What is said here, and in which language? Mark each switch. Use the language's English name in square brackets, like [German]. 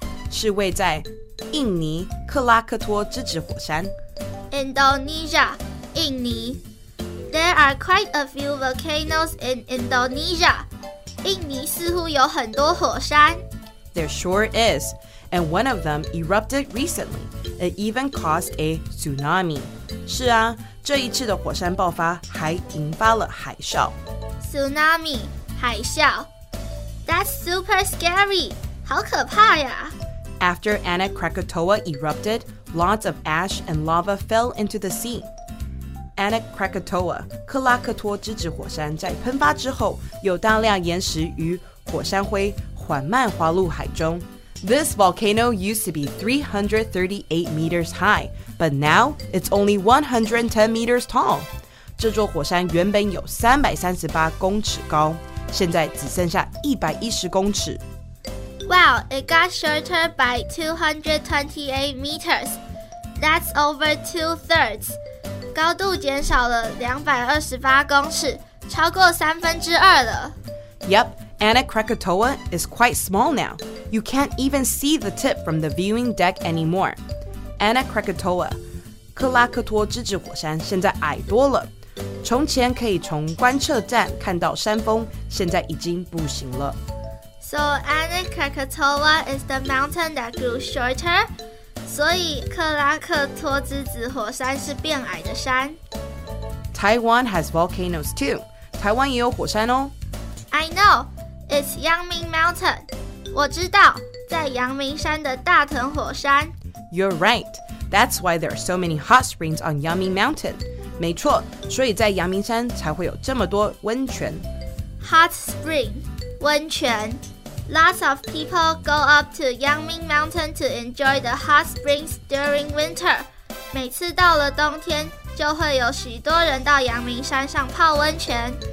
[Chinese] 是位在印尼克拉克托之子火山。 Indonesia, 印尼。 [English] There are quite a few volcanoes in Indonesia. [Chinese] 印尼似乎有很多火山。 [English] There sure is. And one of them erupted recently. It even caused a tsunami. [Chinese] 是啊，这一次的火山爆发还引发了海啸。 [English] Tsunami, 海啸。That's super scary! [Chinese] 好可怕呀! [English] After Anak Krakatoa erupted, lots of ash and lava fell into the sea. [Chinese] Anak Krakatoa, 克拉克托之子火山在喷发之后有大量岩石与火山灰缓慢滑入海中。 [English] This volcano used to be 338 meters high, but now it's only 110 meters tall. [Chinese] 这座火山原本有338公尺高。现在只剩下110公尺。 [English] Wow, it got shorter by 228 meters. That's over two-thirds. [Chinese] 高度减少了228公尺，超过三分之二了。 [English] Yep, Anak Krakatoa is quite small now. You can't even see the tip from the viewing deck anymore. [Chinese] Anak Krakatoa, 克拉克托之子火山现在矮多了。从前可以从观测站看到山峰，现在已经不行了。 [English] So Anak Krakatoa is the mountain that grew shorter. [Chinese] 所以克拉克托之子火山是变矮的山。 [English] Taiwan has volcanoes too. [Chinese] 台湾也有火山哦。 [English] I know. It's Yangming Mountain. [Chinese] 我知道，在阳明山的大屯火山。 [English] You're right. That's why there are so many hot springs on Yangming Mountain. [Chinese] 没错，所以在阳明山才会有这么多温泉。 [English] Hot spring, 温泉。 Lots of people go up to Yangming Mountain to enjoy the hot springs during winter. [Chinese] 每次到了冬天，就会有许多人到阳明山上泡温泉。